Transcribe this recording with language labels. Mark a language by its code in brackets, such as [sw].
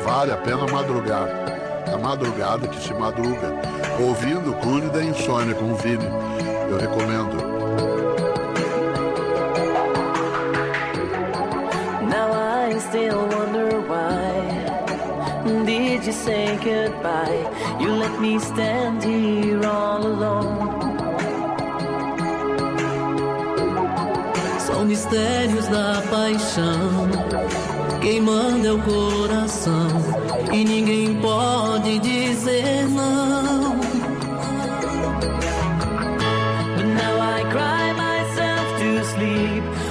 [pt] A pena madrugar, a madrugada que se madruga, ouvindo o Clube da Insônia com o Vini, eu recomendo. [en] Now I still wonder why, did you say goodbye, you let me stand here all alone. [pt] São mistérios da paixão, quem manda é o coração. E ninguém pode dizer não. [en] But now I cry myself to sleep.